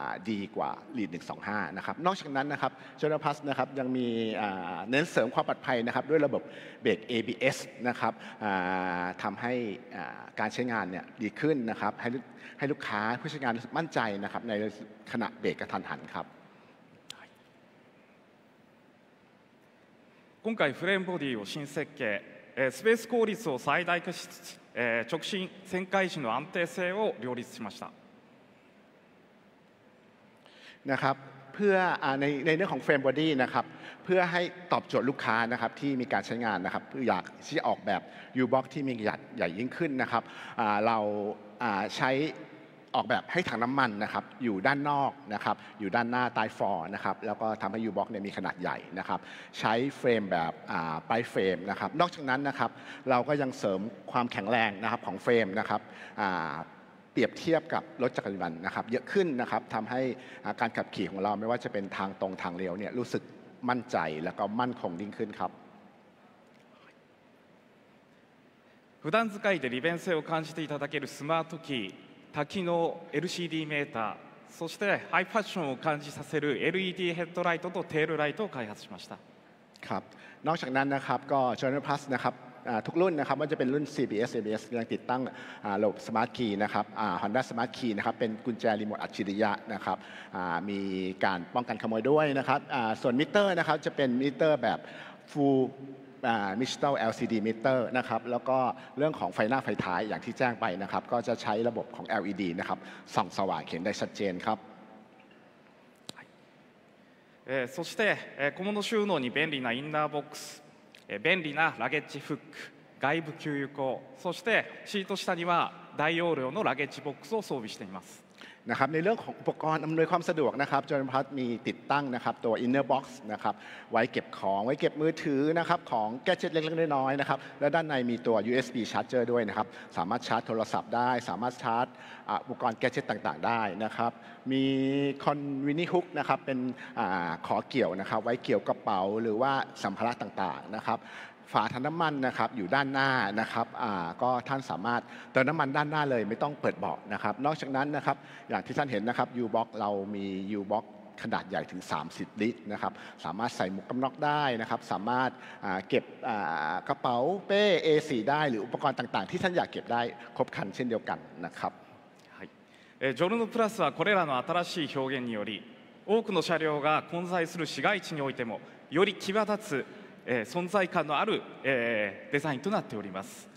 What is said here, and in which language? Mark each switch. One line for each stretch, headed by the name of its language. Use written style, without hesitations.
Thai: ดีกว่า Lead 125นะครับนอกจากนั้นนะครับ Journal Plus นะครับยังมีเน้นเสริมความปลอดภัยนะครับด้วยระบบเบรก ABS นะครับทำให้การใช้งานเนี่ยดีขึ้นนะครับให้ลูกค้าผู้ใช้งานมั่นใจนะครับในขณะเบรกกระทันหันครับ
Japanese: 今回フレームボディを新設計、スペース効率を最大化しつつ、直進旋回時の安定性を両立しました。
Thai: นะครับเพื่อในเรื่องของเฟรมบอดี้นะครับเพื่อให้ตอบโจทย์ลูกค้านะครับที่มีการใช้งานนะครับอยากที่ออกแบบยูบ็อกที่มีขนาดใหญ่ยิ่งขึ้นนะครับเราใช้ออกแบบให้ถังน้ำมันนะครับอยู่ด้านนอกนะครับอยู่ด้านหน้าใต้ฟอร์นะครับแล้วก็ทำให้ U-box เนี่ยมีขนาดใหญ่นะครับใช้เฟรมแบบปลายเฟรมนะครับนอกจากนั้นนะครับเราก็ยังเสริมความแข็งแรงนะครับของเฟรมนะครับ เปรียบเทียบกับรถจักรยานนะครับเยอะขึ้นนะครับทำให้การขับขี่ของเราไม่ว่าจะเป็นทางตรงทางเลี้ยวเนี่ยรู้สึกมั่นใจแล้วก็มั่นคงยิ่งขึ้นครับ
Japanese: 普段使いで利便性を感じていただけるスマートキー多機能 LCD メーター、そしてハイファッションを感じさせる LED ヘッドライトとテールライトを開発しました。
Thai: ครับ、นอกจากนั้นนะครับก็ General Plus นะครับทุกรุ่นนะครับมันจะเป็นรุ่น CBS ABS ยังติดตั้งระบบสมาร์ทคีย์นะครับ Honda Smart Key นะครับเป็นกุญแจรีโมทอัจฉริยะนะครับมีการป้องกันขโมยด้วยนะครับส่วนมิเตอร์นะครับจะเป็นมิเตอร์แบบ Full Digital LCD Meter นะครับแล้วก็เรื่องของไฟหน้าไฟท้ายอย่างที่แจ้งไปนะครับก็จะใช้ระบบของ LED นะครับส่องสว่างเห็นได้ชัดเจนครับ
Japanese: そして小物収納に便利なインナーボックス便利なラゲッジフック外部給油口そしてシート下には大容量のラゲッジボックスを装備しています
Thai: นะครับในเรื่องของอุปกรณ์อำนวยความสะดวกนะครับจอห์นพัทมีติดตั้งนะครับตัว Inner Box นะครับไว้เก็บของไว้เก็บมือถือนะครับของแกจิตเล็กๆน้อยๆนะครับและด้านในมีตัว USB Charger ด้วยนะครับสามารถชาร์จโทรศัพท์ได้สามารถชาร์จอุปกรณ์แกจิตต่างๆได้นะครับมี Convenience Hook นะครับเป็น ขอเกี่ยวนะครับไว้เกี่ยวกระเป๋าหรือว่าสัมภาระต่างๆนะครับฝาถังน้ำมันนะครับอยู่ด้านหน้านะครับก็ท่านสามารถเติมน้ำมันด้านหน้าเลยไม่ต้องเปิดเบาะนะครับนอกจากนั้นนะครับอย่างที่ท่านเห็นนะครับ U-box เรามี U-box ขนาดใหญ่ถึง30ลิตรนะครับสามารถใส่หมวกกันน็อกได้นะครับสามารถเก็บกระเป๋าเป้ A4 ได้หรืออุปกรณ์ต่างๆที่ท่านอยากเก็บได้ครบครันเช่นเดียวกันนะครับ
Japanese: はい。ジョルノプラスはこれらの新しい表現により多くの車両が混在する市街地においてもより際立つ存在感のあるデザインとなっております。